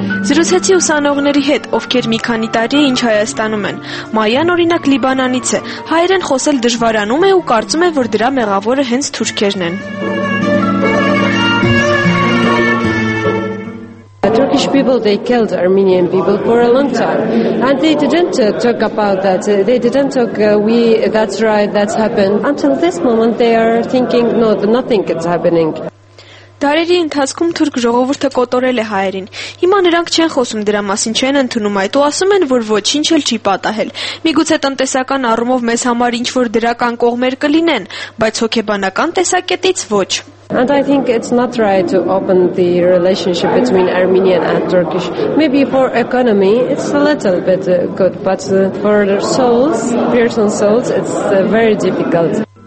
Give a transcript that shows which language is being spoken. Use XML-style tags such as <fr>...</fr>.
<hy>Զրուցեցի ուսանողների հետ, ովքեր մի քանի տարի ինչ Հայաստանում են։ Մայան օրինակ Լիբանանից է, հայերեն խոսել դժվարանում է ու կարծում է, որ դրա մեղավորը հենց թուրքերն են։</hy> <en>The Turkish people, they killed Armenian people for a long time, and they didn't talk about that. They didn't talk, that's right, that's happened. Until this moment they are thinking, no, nothing is happening.</en> <hy>Դարերի ընթացքում թուրք ժողովուրդը կոտորել է հայերին։ Հիմա նրանք չեն խոսում դրա մասին, չեն ընդունում այդ ու ասում են, որ ոչինչ չի պատահել։ Միգուցե տնտեսական առումով մեզ համար ինչ-որ դրական կողմեր կլինեն, բայց հոգեբանական տեսակետից ոչ։</hy> <en>And I think it's not right to open the relationship between Armenian and Turkish. Maybe for economy it's a little bit good, but for their souls, personal souls, it's very difficult.</en>